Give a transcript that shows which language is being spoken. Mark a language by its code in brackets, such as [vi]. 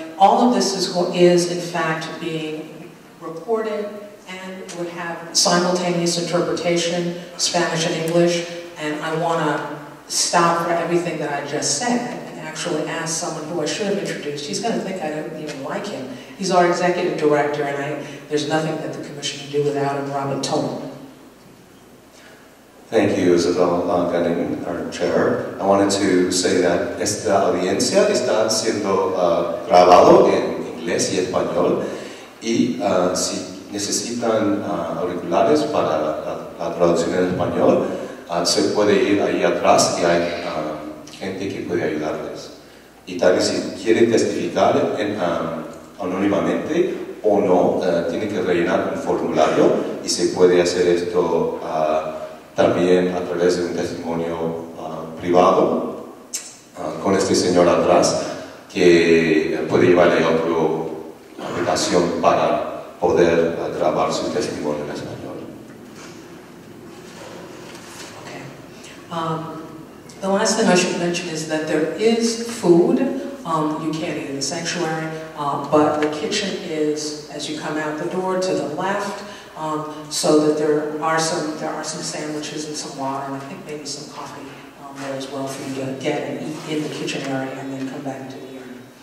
[en] All of this is in fact being recorded and would have simultaneous interpretation, Spanish and English. And I want to stop for everything that I just said and actually ask someone who I should have introduced. He's going to think I don't even like him. He's our executive director, and there's nothing that the commission can do without him, Robin Tolman. Thank you, Isabel Gunning, our chair. I wanted to say that [es] esta audiencia está siendo grabado en inglés y español, y si necesitan auriculares para la traducción en español, se puede ir ahí atrás y hay gente que puede ayudarles. Y también si quieren testificar anónimamente o no, tiene que rellenar un formulario y se puede hacer esto también a través de un testimonio privado con este señor atrás, que puede llevarle a otra habitación para poder grabar su testimonio en español. [en] Okay. The last thing I should mention is that there is food. You can't eat in the sanctuary, but the kitchen is, as you come out the door, to the left. So that there are some sandwiches and some water, and I think maybe some coffee there as well for you to get and eat in the kitchen area and then come back into the area.